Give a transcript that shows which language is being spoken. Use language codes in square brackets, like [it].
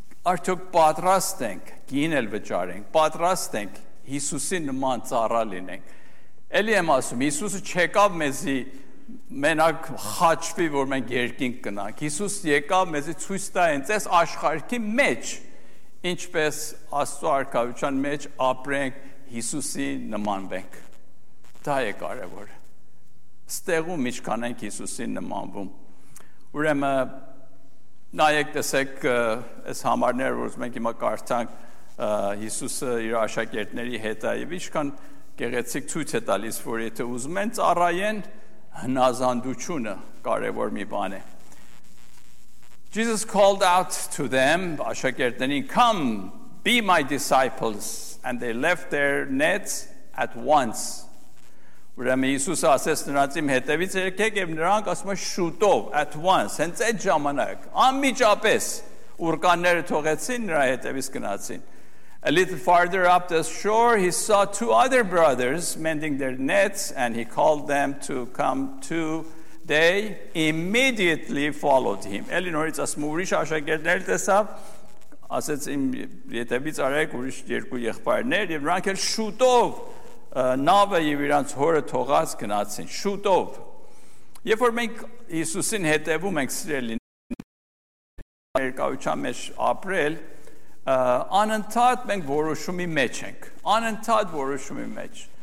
[hy] արդյոք պատրաստ ենք գին էլ վճարենք, պատրաստ ենք Հիսուսին նման ծառա լինենք, էլի եմ ասում, Հիսուսը չեկավ մեզի մենակ խաչվի, որ մենք երկինք կնանք, Հիսուս եկավ մեզի ցույց տա հենց այս աշխարհի մեջ, ինչպես Աստծո արքայության մեջ ապրենք, Հիսուսին նմանվենք, դա է կարևոր, ստեղում ինչքան ենք Հիսուսին նմանվում, ուրեմն նայեք տեսեք այս համարները, որ մենք հիմա կարդանք, Հիսուսը իր աշակերտների հետ է, և ինչքան գեղեցիկ ցույց է տալիս, որ եթե ուզում են ծառայեն, հնազանդությունը կարևոր մի բան է. [en] Jesus called out to them, [hy] աշակերտներին, [en] come, be my disciples, and they left their nets at once. [hy] Ուրեմն Հիսուսը ասեց նրանց իմ հետևից երեքեք, և նրանք ասում են շուտով, [en] at once, [hy] հենց այդ ժամանակ, անմիջապես ուրկանները թողեցին, նրա հետևից գնացին. [en] A little farther up the shore, he saw two other brothers mending their nets, and he called them to come too. They immediately followed him. [hy] Էլի նորից ասում ուրիշ աշակերտներ տեսավ, ասեց իմ հետևից արեք ուրիշ երկու եղբայրներ, և նրանք էլ շուտով նավը և իրանց հորը թողած գնացին, շուտով, երբ որ մենք Հիսուսին հետևում ենք սիրելին, ներկայության մեջ ապրել, անընդհատ մենք որոշումի մեջ ենք, անընդհատ որոշումի մեջ,